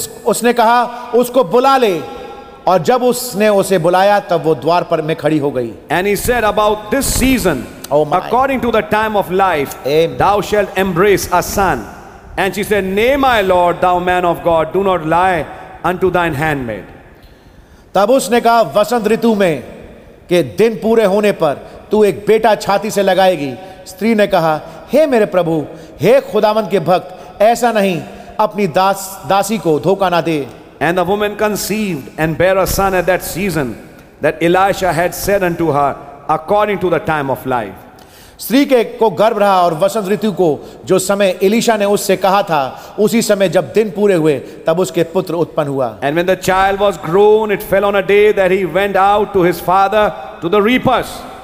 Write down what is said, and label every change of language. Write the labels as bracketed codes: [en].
[hi] उसने कहा उसको बुला ले और जब उसने उसे बुलाया तब वो द्वार पर में खड़ी हो गई. [en] And he said about this season, according to the time of life, thou shalt embrace a son. And she said, Nay, my Lord, thou man of God, do not lie unto thine handmaid. [hi] तब उसने कहा वसंत ऋतु में के दिन पूरे होने पर तू एक बेटा छाती से लगाएगी. स्त्री ने कहा हे मेरे प्रभु हे खुदावंत के भक्त ऐसा नहीं अपनी दासी को धोखा ना दे. [en] And the woman conceived and bare a son at that season that Elisha had said unto her according to the time of life. [hi] स्त्री के को गर्भ रहा और वसंत ऋतु को जो समय एलिशा ने उससे कहा था उसी समय जब दिन पूरे हुए तब उसके पुत्र उत्पन्न हुआ. [en] And when the child was grown, it fell on a day that he went out to his father to the reapers.